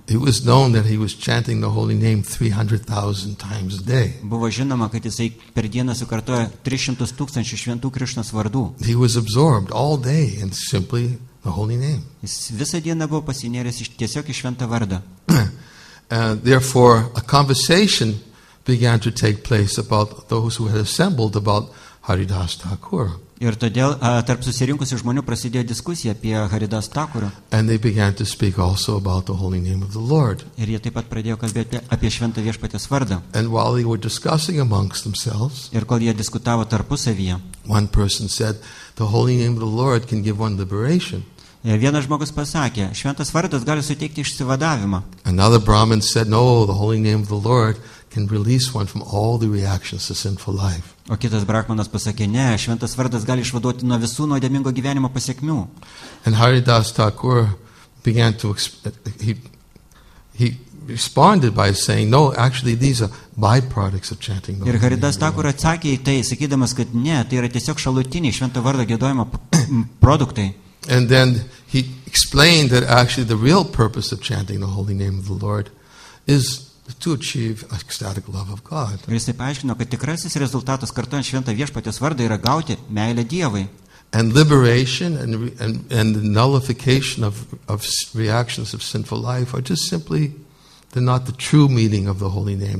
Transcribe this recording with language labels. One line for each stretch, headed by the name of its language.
English: It was known that he was chanting the holy name 300,000 times a day.
Lithuanian: Buvo žinoma, kad jisai per dieną sukartojo 300 tūkstančių šventų Krišnos vardų.
English: He was absorbed all day in simply the holy name.
Lithuanian: Jis visą dieną buvo pasinėręs tiesiog į šventą vardą.
English: And therefore a conversation began to take place about those who had assembled about Haridas Thakur.
Lithuanian: Ir todėl tarp susirinkusių žmonių prasidėjo diskusija apie Haridas Thakurą.
English: And they began to speak also about the holy name of the Lord.
Lithuanian: Ir jie taip pat pradėjo kalbėti apie šventą viešpatės vardą.
English: And while they were discussing amongst themselves,
Lithuanian: ir kol jie diskutavo tarpusavyje,
English: one person said, the holy name of the Lord can give one liberation.
Lithuanian: Ir vienas žmogus pasakė, šventas vardas gali suteikti išsivadavimą.
English: Another Brahmin said, no, the holy name of the Lord can release one from all the reactions to sinful life.
Lithuanian: O kitas brahmanas pasakė, ne, šventas vardas gali išvaduoti nuo visų nuodėmingo gyvenimo pasiekmių.
English: And Haridas Thakur began to he responded by saying, no, actually these are byproducts of chanting.
Lithuanian: Ir Haridas Thakur atsakė į tai, sakydamas, kad ne, tai yra tiesiog šalutiniai švento vardo giedojimo produktai.
English: And then he explained that actually the real purpose of chanting the holy name of the Lord is to achieve ecstatic love of God.
Lithuanian: Ir jis paaiškino, kad tikrasis rezultatas kartuojant šventą viešpatės vardą yra gauti meilę Dievui.
English: And liberation and the nullification of reactions of sinful life are just simply, they're not the true meaning of the holy name.